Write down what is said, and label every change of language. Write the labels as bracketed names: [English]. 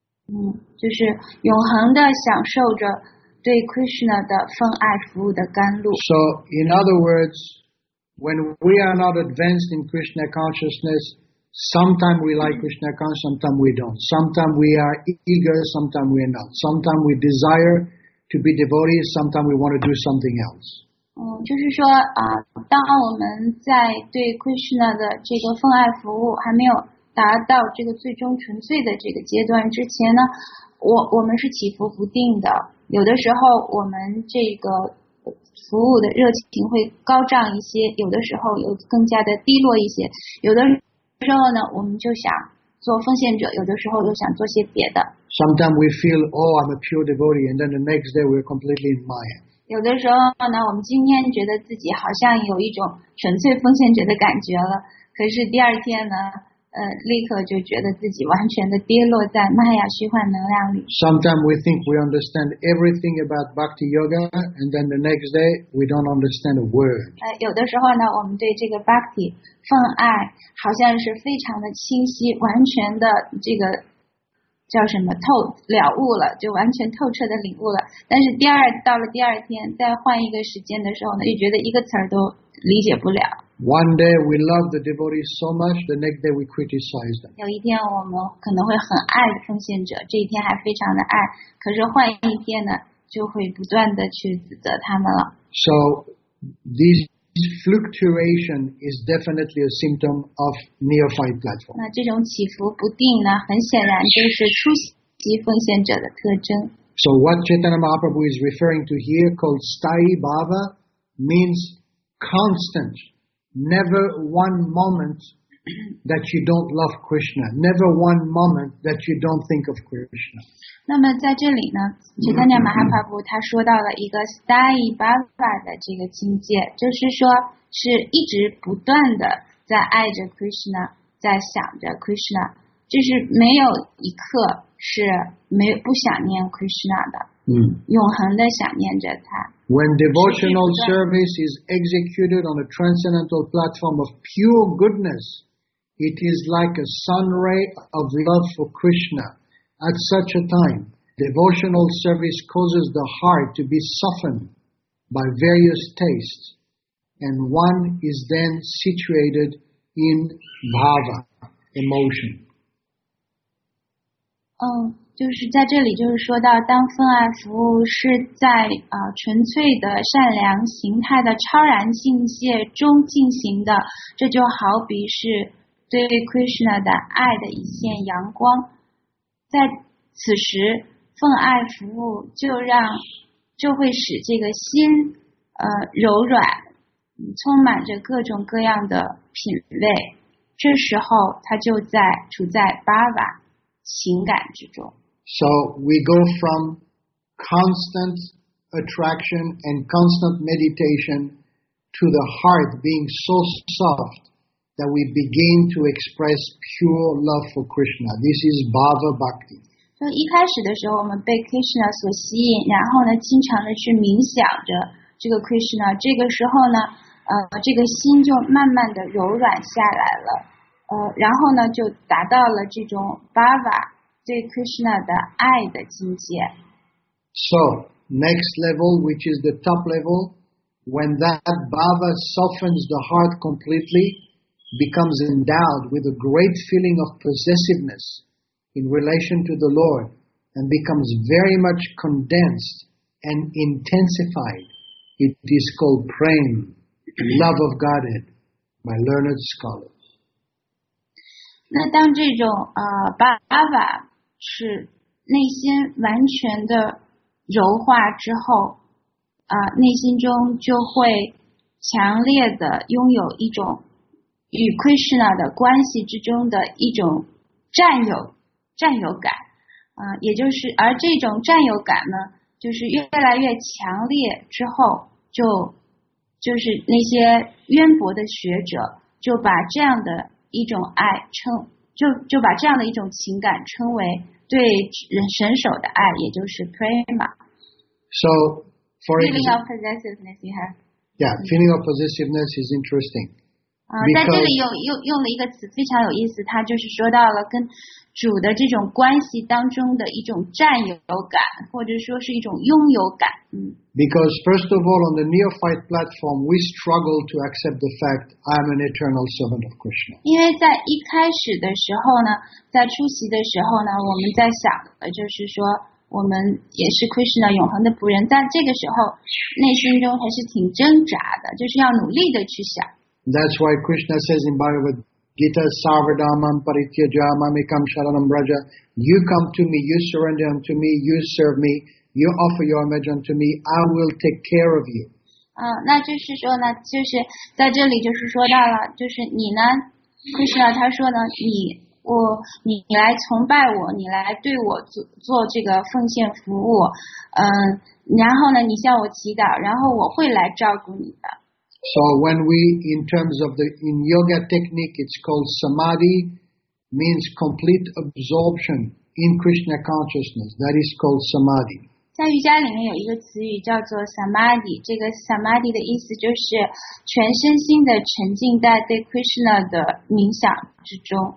[Chinese] 就是永恒的享受着对 Krishna 的奉爱服务的甘露。 [English] So in other words, when we are not advanced in Krishna consciousness, Sometimes we like Krishna consciousness, sometimes we don't. Sometimes we are eager, sometimes we are not. Sometimes we desire to be devotees, sometimes we want to do something else. [Chinese] 就是说当我们在对 Krishna 的这个奉爱服务还没有达到这个最终纯粹的这个阶段之前呢，我们是起伏不定的。有的时候我们这个服务的热情会高涨一些，有的时候又更加的低落一些，有的。之后呢，我们就想做奉献者，有的时候又想做些别的。 [English] Sometimes we feel, oh, I'm a pure devotee, and then the next day we're completely in Maya. [Chinese] 有的时候呢，我们今天觉得自己好像有一种纯粹奉献者的感觉了，可是第二天呢，立刻就觉得自己完全的跌落在 Maya 虚幻能量里。 [English] Sometimes we think we understand everything about Bhakti Yoga, and then the next day we don't understand a word. [Chinese] 有的时候呢，我们对这个 Bhakti 奉爱好像是非常的清晰，完全的这个叫什么透了悟了，就完全透彻的领悟了。但是到了第二天，再换一个时间的时候呢，又觉得一个词儿都理解不了。 [English] One day we love the devotees so much, the next day we criticize them. [Chinese] 有一天我们可能会很爱奉献者，这一天还非常的爱，可是换一天呢，就会不断地去指责他们了。 [English] So this fluctuation is definitely a symptom of neophyte platform. [Chinese] 那这种起伏不定呢，很显然就是初级奉献者的特征。 [English] So what Chaitanya Mahaprabhu is referring to here called sthayi bhava means constant, never one moment that you don't love Krishna, never one moment that you don't think of Krishna. [Chinese] 那么在这里呢 Chaitanya Mahaprabhu 他说到了一个 sthayi bhava 的这个境界，就是说是一直不断的在爱着 Krishna, 在想着 Krishna, 就是没有一刻是没不想念 Krishna 的、嗯、永恒的想念着他。 [English] When devotional service is executed on a transcendental platform of pure goodness, it is like a sun ray of love for Krishna. At such a time, devotional service causes the heart to be softened by various tastes, and one is then situated in bhava, emotion. [Chinese] 嗯，就是在这里，就是说到，当分爱服务是在纯粹的善良形态的超然境界中进行的，这就好比是对 Krishna 的爱的一线阳光。在此时，分爱服务就会使这个心柔软，充满着各种各样的品味。这时候，它就在处在巴瓦。情感之中。 [English] So we go from constant attraction and constant meditation to the heart being so soft that we begin to express pure love for Krishna. This is bhava bhakti. [Chinese] 就一开始的时候，我们被 Krishna 所吸引，然后呢，经常的去冥想着这个 Krishna。这个时候呢，这个心就慢慢的柔软下来了。然后呢就达到了这种 Bhava 对 Krishna 的爱的境界。 [English] So, next level, which is the top level, when that Bhava softens the heart completely, becomes endowed with a great feeling of possessiveness in relation to the Lord, and becomes very much condensed and intensified, it is called Prem, love of Godhead, by learned scholars. [Chinese] 那当这种bhava 是内心完全的柔化之后，内心中就会强烈的拥有一种与 Krishna 的关系之中的一种占有感，也就是而这种占有感呢，就是越来越强烈之后，就是那些渊博的学者就把这样的一种爱称。就把这样的一种情感称为对人神手的爱，也就是 prema。 [English] So, for feeling of possessiveness, you have. Yeah, feeling of possessiveness is interesting. [Chinese] 在这里用了一个词非常有意思，它就是说到了跟主的这种关系当中的一种占有感，或者说是一种拥有感。 [English] Because first of all, on the neophyte platform, we struggle to accept the fact I'm an eternal servant of Krishna. [Chinese] 因为在一开始的时候呢，在初期的时候呢，我们在想的就是说，我们也是 Krishna 永恒的仆人。但这个时候，内心中还是挺挣扎的，就是要努力的去想。 [English] That's why Krishna says in Bhagavad Gita, [Sanskrit] "Sarvadhamam parityajamam ekam sharanam braja." [English] You come to me, you surrender unto me, you serve me. You offer your image unto me, I will take care of you. [Chinese] 那就是说呢，就是在这里就是说到了，就是你呢 ，Krishna 他说呢，你来崇拜我，你来对我做这个奉献服务，然后呢，你向我祈祷，然后我会来照顾你的。 [English] So when we, in terms of the in yoga technique, it's called samadhi, means complete absorption in Krishna consciousness. That is called samadhi. [Chinese] 在瑜伽里面有一个词语叫做 samadhi， 这个 samadhi 的意思就是全身心的沉浸在对 Krishna 的冥想之中。